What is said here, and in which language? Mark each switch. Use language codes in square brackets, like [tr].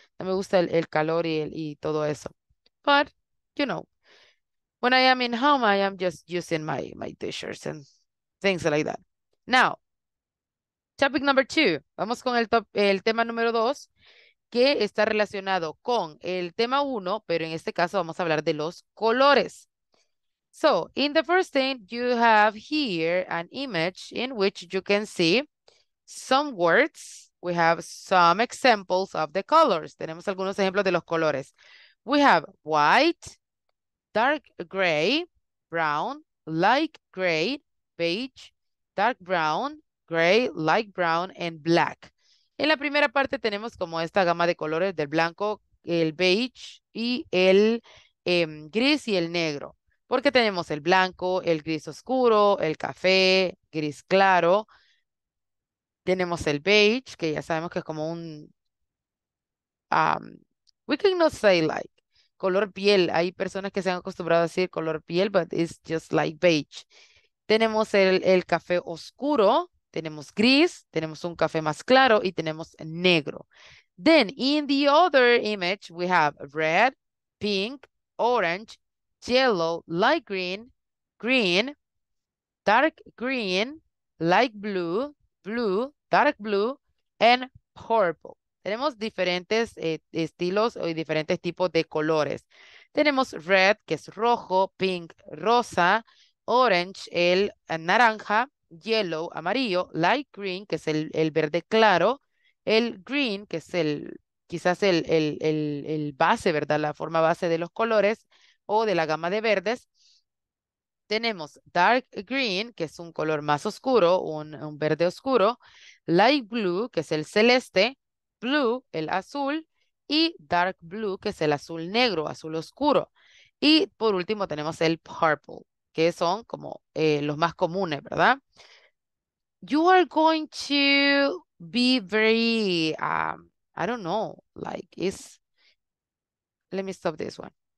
[es] No me gusta el calor y todo eso. [en] But, you know, when I am in home, I am just using my t-shirts and things like that. Now, topic number two. [es] Vamos con el tema número dos, que está relacionado con el tema uno, pero en este caso vamos a hablar de los colores. [en] So, in the first thing, you have here an image in which you can see some words. We have some examples of the colors. [es] Tenemos algunos ejemplos de los colores. [en] We have white, dark gray, brown, light gray, beige, dark brown, gray, light brown, and black. [es] En la primera parte tenemos como esta gama de colores del blanco, el beige y el gris y el negro. Porque tenemos el blanco, el gris oscuro, el café, gris claro. Tenemos el beige, que ya sabemos que es como un, [en] we cannot say like, [es] color piel. Hay personas que se han acostumbrado a decir color piel, [en] but it's just like beige. [es] Tenemos el café oscuro. Tenemos gris, tenemos un café más claro y tenemos negro. [en] Then, in the other image, we have red, pink, orange, yellow, light green, green, dark green, light blue, blue, dark blue, and purple. [es] Tenemos diferentes estilos y diferentes tipos de colores. Tenemos red, que es rojo, pink, rosa, orange, el naranja, yellow, amarillo, light green, que es el verde claro, el green, que es el quizás el base, ¿verdad? La forma base de los colores o de la gama de verdes. Tenemos dark green, que es un color más oscuro, un verde oscuro, light blue, que es el celeste, blue, el azul, y dark blue, que es el azul negro, azul oscuro. Y por último tenemos el purple, que son como los más comunes, ¿verdad? [en] You are going to be very, I don't know, like, it's, let me stop this one.